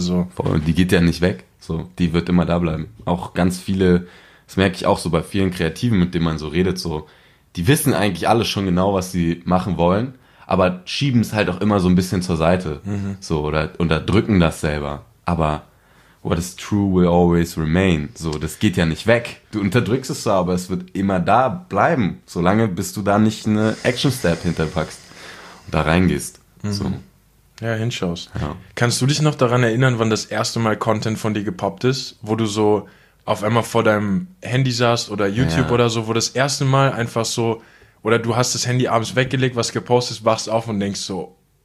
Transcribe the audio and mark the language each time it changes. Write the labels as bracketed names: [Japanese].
[German] So. Voll. Und die geht ja nicht weg. So, die wird immer da bleiben. Auch ganz viele, das merke ich auch so bei vielen Kreativen, mit denen man so redet, so, die wissen eigentlich alle schon genau, was sie machen wollen, aber schieben es halt auch immer so ein bisschen zur Seite. Mhm. So, oder unterdrücken das selber. Aber [English] what is true will always remain. [German] So, das geht ja nicht weg. Du unterdrückst es so, aber es wird immer da bleiben, solange bis du da nicht eine Action-Step hinterpackst und da reingehst. Mhm. So. Ja, hinschaust. Ja. Kannst du dich noch daran erinnern, wann das erste Mal Content von dir gepoppt ist, wo du so auf einmal vor deinem Handy saßt oder YouTube oder so, wo das erste Mal einfach so, oder du hast das Handy abends weggelegt, was gepostet, wachst auf und denkst so,